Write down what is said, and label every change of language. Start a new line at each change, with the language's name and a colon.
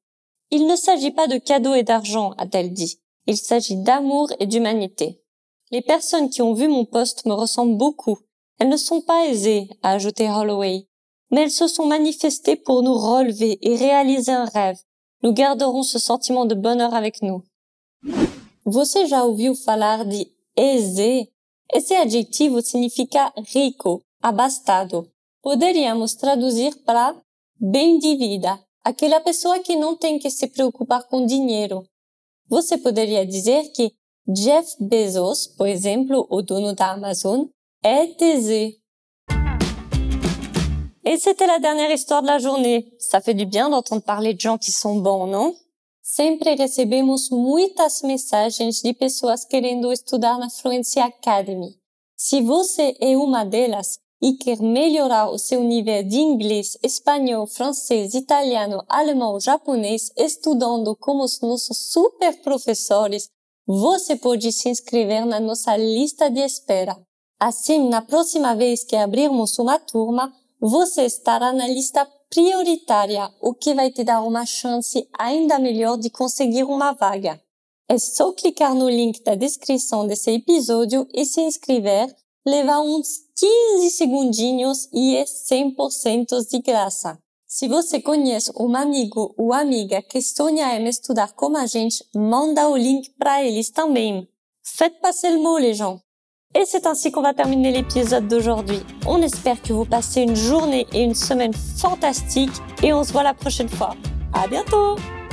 French: « Il ne s'agit pas de cadeaux et d'argent », a-t-elle dit. Il s'agit d'amour et d'humanité. Les personnes qui ont vu mon poste me ressemblent beaucoup. Elles ne sont pas aisées, a ajouté Holloway. Mais elles se sont manifestées pour nous relever et réaliser un rêve. Nous garderons ce sentiment de bonheur avec nous.
Portuguese: Você já ouviu falar de aisé? Esse adjetivo significa rico, abastado. Poderíamos traduzir para bem de vida, aquela pessoa que não tem que se preocupar com dinheiro. Você poderia dizer que Jeff Bezos, por exemplo, o dono da Amazon, é aisé.
French: Et c'était la dernière histoire de la journée. Ça fait du bien d'entendre parler de gens qui sont bons, non?
Portuguese: Sempre recebemos muitas mensagens de pessoas querendo estudar na Fluency Academy. Se você é uma delas e quer melhorar o seu nível de inglês, espanhol, francês, italiano, alemão ou japonês, estudando como os nossos super professores, você pode se inscrever na nossa lista de espera. Assim, na próxima vez que abrirmos uma turma, você estará na lista prioritária, o que vai te dar uma chance ainda melhor de conseguir uma vaga. É só clicar no link da descrição desse episódio e se inscrever leva uns 15 segundinhos e é 100% de graça. Se você conhece um amigo ou amiga que sonha em estudar com a gente, manda o link para eles também.
French: Faites passer le mot, les gens. Et c'est ainsi qu'on va terminer l'épisode d'aujourd'hui. On espère que vous passez une journée et une semaine fantastiques et on se voit la prochaine fois. À bientôt !